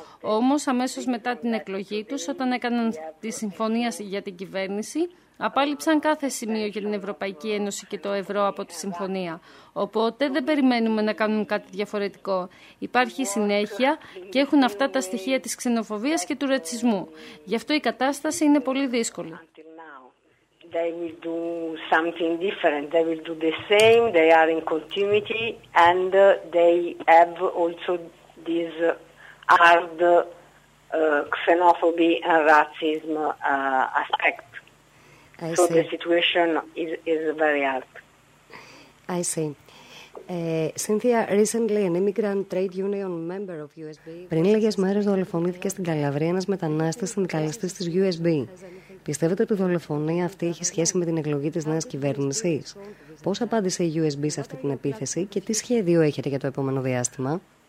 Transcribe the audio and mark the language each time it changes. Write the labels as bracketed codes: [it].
[el] Όμως αμέσως μετά την εκλογή τους, όταν έκαναν τη συμφωνία για την κυβέρνηση, απάλληψαν κάθε σημείο για την Ευρωπαϊκή Ένωση και το ευρώ από τη συμφωνία. Οπότε δεν περιμένουμε να κάνουν κάτι διαφορετικό. Υπάρχει συνέχεια και έχουν αυτά τα στοιχεία της ξενοφοβίας και του ρατσισμού. Γι' αυτό η κατάσταση είναι πολύ δύσκολη. [en] They will do something different. They will do the same. They are in continuity and they have also this hard xenophobia and racism aspect. So the situation is very hard. I see. Cynthia, recently an immigrant trade union member of USB. [el] Πριν λίγες μέρες δολοφονήθηκε στην Καλαβρία ένας μετανάστης συνδικαλιστής της USB. Πιστεύετε ότι η δολοφονία αυτή έχει σχέση με την εκλογή της νέας κυβέρνησης? Πώς απάντησε η USB σε αυτή την επίθεση και τι σχέδιο έχετε για το επόμενο διάστημα?